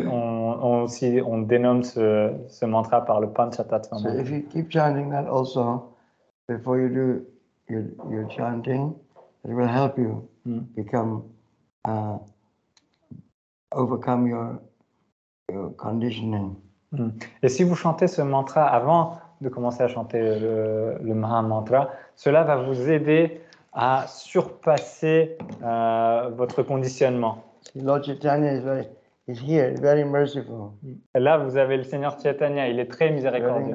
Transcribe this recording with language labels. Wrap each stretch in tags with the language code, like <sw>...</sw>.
<fr>On dénomme ce mantra par le Panchatattva Maha Mantra.</fr> <en>So if you keep chanting that also, before you do your chanting, it will help you become overcome your conditioning.</en> <fr>Et si vous chantez ce mantra avant de commencer à chanter le Maha Mantra, cela va vous aider à surpasser votre conditionnement.</fr> <en>Lord Chaitanya is here, very merciful.</en> <fr>Et là, vous avez le Seigneur Chaitanya, il est très miséricordieux.</fr>